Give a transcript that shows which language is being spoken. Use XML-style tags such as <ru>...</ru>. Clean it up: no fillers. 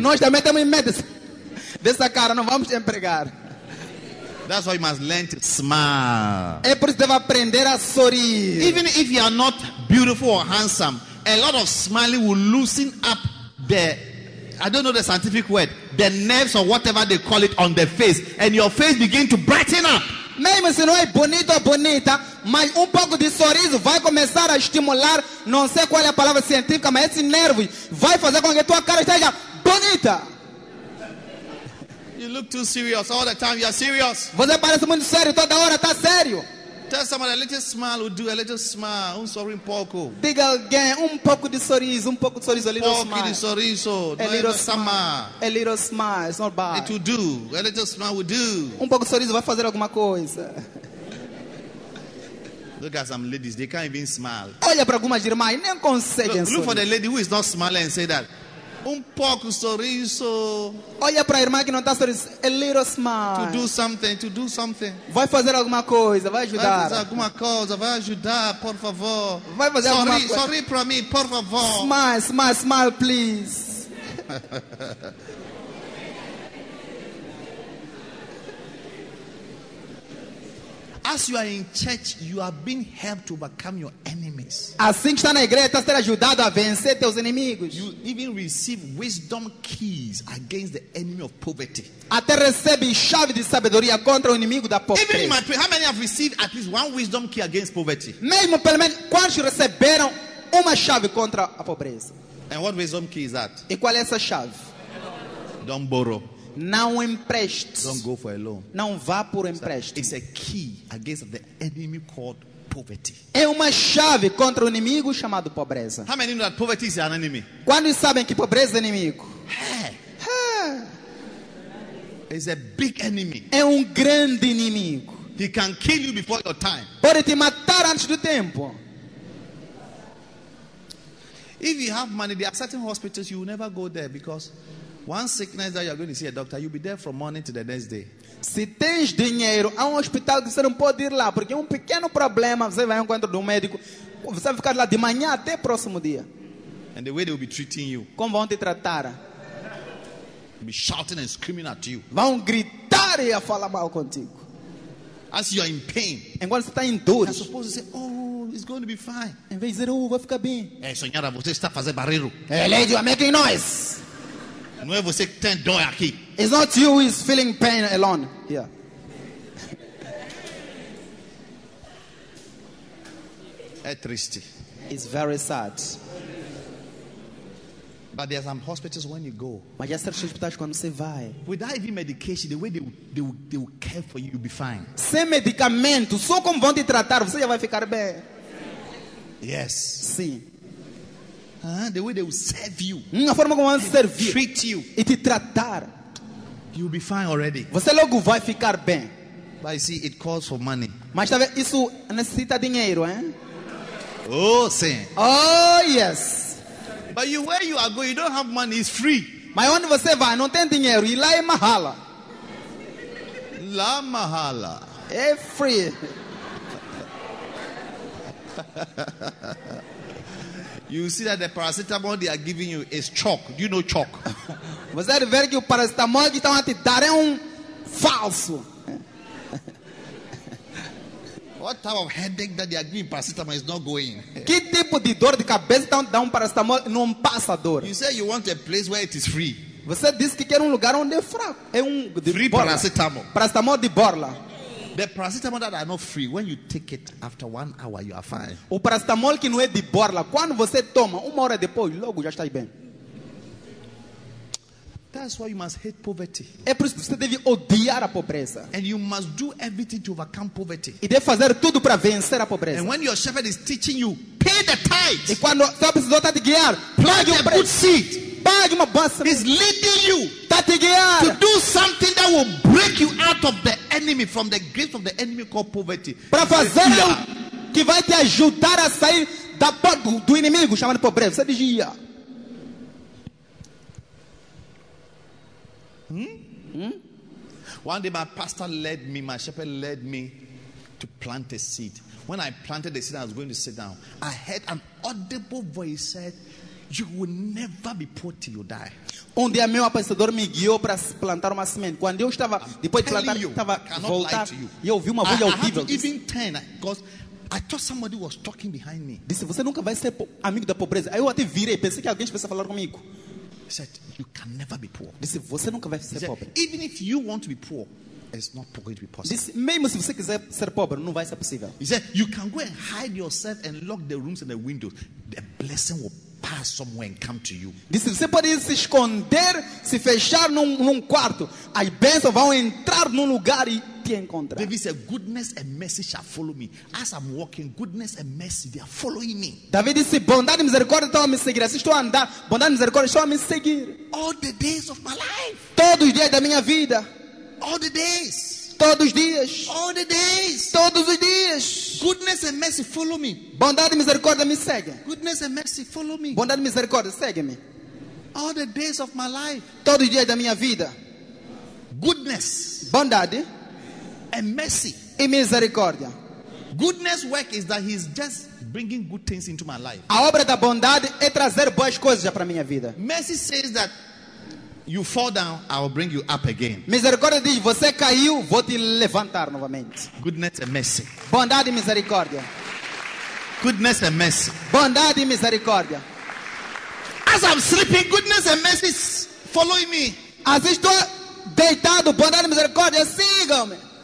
<pt>Nós também temos medo dessa cara, não vamos te empregar.</pt> <en>That's why you must learn to smile.</en> <pt>É por isso que deve aprender a sorrir.</pt> <en>Even if you are not beautiful or handsome, a lot of smiling will loosen up the, I don't know the scientific word, the nerves or whatever they call it on the face, and your face begin to brighten up.</en> <pt>Mesmo se não é bonito ou bonita, mas pouco de sorriso vai começar a estimular, não sei qual é a palavra científica, mas esse nervo vai fazer com que tua cara esteja bonita.</pt> <en>You look too serious all the time. You are serious.</en> <pt>Você parece muito sério toda hora. Está sério.</pt> <en>Tell someone a little smile will do. A little smile. Sorry,</en> <pt>um pouco. Diga alguém pouco de sorriso. Pouco de sorriso.</pt> <en>A little smile.</en> <pt>De sorriso.</pt> <en>A little smile. A little smile. It's not bad. It will do. A little smile will do.</en> <pt>Pouco de sorriso vai fazer alguma coisa.</pt> <en>Look at some ladies. They can't even smile.</en> <pt>Olha para algumas irmãs. Nem conseguem sorrir.</pt> <en>Look for the lady who is not smiling and say that.</en> <pt>Pouco sorriso. Olha para a irmã que não está sorriso.</pt> <en>A little smile. To do something.</en> <pt>Vai fazer alguma coisa, vai ajudar. Vai fazer alguma coisa, vai ajudar, por favor. Vai fazer sorri, alguma coisa. Sorri para mim, por favor.</pt> <en>Smile, please. I As you are in church, you are being helped to overcome your enemies.</en> <pt>Assim que está na igreja, está sendo ajudado a vencer teus inimigos.</pt> <en>You even receive wisdom keys against the enemy of poverty.</en> <pt>Até recebe chave de sabedoria contra o inimigo da pobreza.</pt> <en>Even in my prayer, how many have received at least one wisdom key against poverty?</en> <pt>Mesmo pelo menos quantos receberam uma chave contra a pobreza?</pt> <en>And what wisdom key is that?</en> <pt>E qual é essa chave?</pt> <en>Don't borrow.</en> <pt>Não empreste.</pt> <en>Don't go for a loan.</en> <pt>Não vá por empréstimo.</pt> <en>It's a key against the enemy called poverty.</en> <pt>É uma chave contra o inimigo chamado pobreza.</pt> <en>How many know that poverty is an enemy?</en> <pt>Quantos sabem que pobreza é inimigo?</pt> <en>Hey. It's a big enemy.</en> <pt>É grande inimigo.</pt> <en>He can kill you before your time.</en> <pt>Pode te matar antes do tempo.</pt> <en>If you have money, there are certain hospitals you will never go there because one sickness that you are going to see a doctor, you'll be there from morning to the next day.</en> <pt>Se tens dinheiro, há hospital que você não pode ir lá, porque pequeno problema, você vai ao encontro do médico, você vai ficar lá de manhã até próximo dia.</pt> <en>And the way they will be treating you.</en> <pt>Como vão te tratar?</pt> <en>They'll be shouting and screaming at you.</en> <pt>Vão gritar e a falar mal contigo.</pt> <en>As you are in pain.</en> <pt>Enquanto você está em dor.</pt> <en>You're supposed to say, oh, it's going to be fine.</en> <pt>Em vez de dizer, oh, vai ficar bem. É, senhora, você está fazendo barreiro.</pt> <en>Hey, lady, you're making noise.</en> <pt>Não é você que tem dor aqui.</pt> <en>It's not you who is feeling pain alone here.</en> <pt>É triste.</pt> <en>It's very sad. But there are some hospitals when you go.</en> <pt>Mas há certos hospitais quando você vai.</pt> <en>Without even medication, the way they will care for you, you'll be fine.</en> <pt>Sem medicamento, só como vão te tratar, você já vai ficar bem.</pt> <en>Yes.</en> <pt>Sim.</pt> <en>The way they will serve you.</en> <pt>A forma como vão servir.</pt> <en>Treat you.</en> <pt>E te tratar.</pt> <en>You'll be fine already.</en> <pt>Você logo vai ficar bem.</pt> <en>But you see, it calls for money.</en> <pt>Mas tá vendo? Isso necessita dinheiro, hein? Oh, sim.</pt> <en>Oh, yes. But you, where you are going, you don't have money, it's free.</en> <pt>Mas onde você vai, não tem dinheiro. E lá é mahala. Lá mahala. É free.</pt> <en>You see that the paracetamol they are giving you is chalk. Do you know chalk?</en> <pt>Você deve ver que o paracetamol que estão a te dar é falso.</pt> <en>What type of headache that they are giving paracetamol is not going?</en> <pt>Que tipo de dor de cabeça estão dando paracetamol não passa dor?</pt> <en>You say you want a place where it is free.</en> <pt>Você disse que quer lugar onde é fraco. É de free borla. Paracetamol. Paracetamol de borla.</pt> <en>The paracetamol that are not free, when you take it after 1 hour, you are fine.</en> <pt>O paracetamol que não é de borla, quando você toma, 1 hora depois, logo já está bem.</pt> <en>That's why you must hate poverty.</en> <pt>É por isso que você deve odiar a pobreza.</pt> <en>And you must do everything to overcome poverty.</en> <pt>E deve fazer tudo para vencer a pobreza.</pt> <en>And when your shepherd is teaching you, pay the tithe.</en> <pt>E quando o seu pastor está te guiar,</pt> <en>plague a good seed.</en> <pt>Pague uma bosta.</pt> <en>He's leading you</en> <pt>to guiar.</pt> <en>To do something that will break you out of the enemy, from the grip of the enemy called poverty.</en> <pt>Para fazer algo que vai te ajudar a sair da porta do inimigo chamado pobreza. Você diz ia.</pt> <en>One day my pastor led me, my shepherd led me to plant a seed. When I planted the seed, I was going to sit down. I heard an audible voice said, "You will never be poor till you die."</en> <pt>Um dia meu apostador me guiou para plantar uma semente. Quando eu estava, depois de plantar, estava voltar, e eu ouvi uma voz audível.</pt> <en>Even turn, because I thought somebody was talking behind me.</en> <pt>Disse, você nunca vai ser amigo da pobreza. Aí eu até virei, pensei que alguém estivesse a falar comigo.</pt> <en>He said, "You can never be poor."</en> <pt>Disse, você nunca vai ser pobre.</pt> <en>Even if you want to be poor, it's not going to be possible.</en> <pt>Disse, mesmo se você quiser ser pobre, não vai ser possível.</pt> <en>He said, "You can go and hide yourself and lock the rooms and the windows. The blessing will pass somewhere and come to you."</en> <pt>Disse, você pode se esconder, se fechar num quarto. As bênçãos vão entrar num lugar e te encontrar.</pt> <en>David said, "Goodness and mercy shall follow me. As I'm walking, goodness and mercy, they are following me."</en> <pt>David disse, bondade e misericórdia estão a me seguir. Assim estou a andar, bondade e misericórdia estão a me seguir.</pt> <en>All the days of my life.</en> <pt>Todos os dias da minha vida.</pt> <en>All the days.</en> <pt>Todos os dias.</pt> <en>All the days.</en> <pt>Todos os dias.</pt> <en>Goodness and mercy follow me.</en> <pt>Bondade e misericórdia me seguem.</pt> <en>Goodness and mercy follow me.</en> <pt>Bondade e misericórdia segue-me.</pt> <en>All the days of my life.</en> <pt>Todos os dias da minha vida.</pt> <en>Goodness.</en> <pt>Bondade.</pt> <en>And mercy.</en> <pt>E misericórdia.</pt> <en>Goodness work is that he's just bringing good things into my life.</en> <pt>A obra da bondade é trazer boas coisas para minha vida.</pt> <en>Mercy says that you fall down, I will bring you up again.</en> <pt>Misericórdia diz, você caiu, vou te levantar novamente.</pt> <en>Goodness and mercy.</en> <pt>Bondade e misericórdia.</pt> <en>Goodness and mercy.</en> <pt>Bondade e misericórdia.</pt> <en>As I'm sleeping, goodness and mercy is following me.</en> <pt>As estou deitado, bondade e misericórdia sigam-me.</pt>